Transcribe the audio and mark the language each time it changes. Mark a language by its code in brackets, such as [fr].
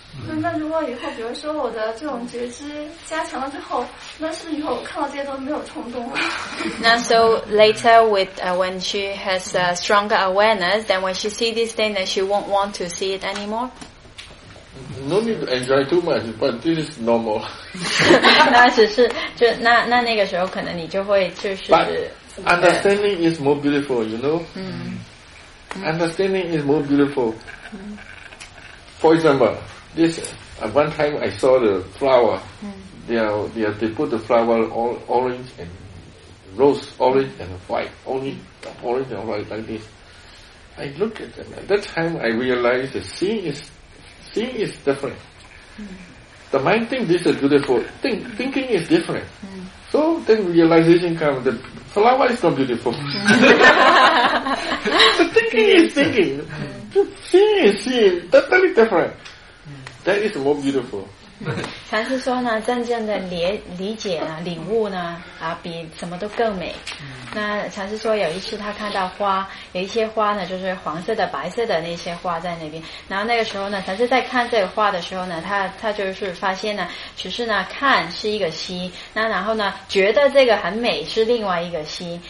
[zh] 那如果以后比如说我的这种觉知加强了之后，那是以后我看到这些都没有冲动了。 [en] 那 so later with when she has a stronger awareness, then when she see this thing, then she won't want to see it anymore. No need to enjoy too much, but this is normal. [zh] 那只是就那个时候可能你就会就是。 [en] But understanding is more beautiful, you know. Understanding is more beautiful. For example. This, at one time I saw the flower, they put the flower all orange and rose, orange and white, only orange and white like this. I look at them, at that time I realized that seeing is different. The mind thinks this is beautiful, thinking is different. So then realization comes, the flower is not beautiful. The thinking is thinking, the seeing is seeing, totally different. That is more beautiful. [zh] 禅师说呢，真正的理解呢，领悟呢，啊，比什么都更美。那禅师说，有一次他看到花，有一些花呢，就是黄色的、白色的那些花在那边。然后那个时候呢，禅师在看这个花的时候呢，他就是发现呢，其实呢，看是一个心，那然后呢，觉得这个很美是另外一个心。